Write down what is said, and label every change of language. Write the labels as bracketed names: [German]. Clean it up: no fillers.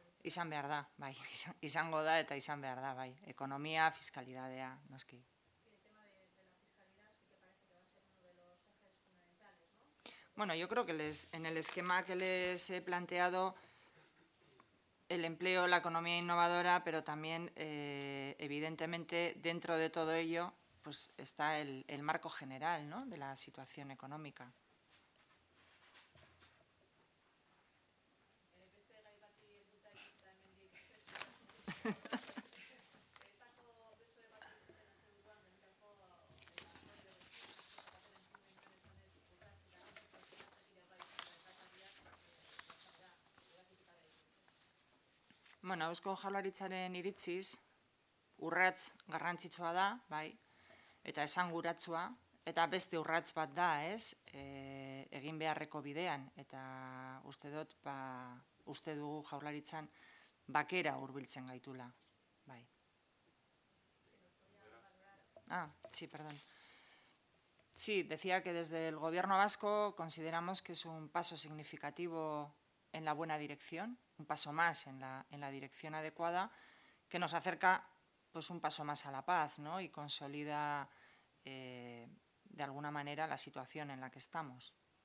[Basque] Izan behar da, bai, izango da eta izan behar da, bai, ekonomia, fiskalidadea, noski. [Spanish] Sí, el tema de la fiskalidad sí que parece que va a ser uno de los ejes fundamentales, ¿no? Bueno, yo creo que en el esquema que les he planteado, el empleo, la economía innovadora, pero también, evidentemente, dentro de todo ello, pues está el marco general, ¿no?, de la situación económica. [Basque] Bueno, Eusko Jaurlaritzaren iritziz urrats garrantzitsua da, bai, eta esanguratsua, eta beste urrats bat da, ez, egin beharreko bidean, eta uste dut, ba, uste dugu Jaurlaritzan bakera hurbiltzen gaitula, bai. [Spanish] Ah, sí, perdón. Sí, decía que desde el Gobierno Vasco consideramos que es un paso significativo en la buena dirección, un paso más en la dirección adecuada, que nos acerca pues un paso más a la paz, ¿no? Y consolida de alguna manera la situación en la que estamos.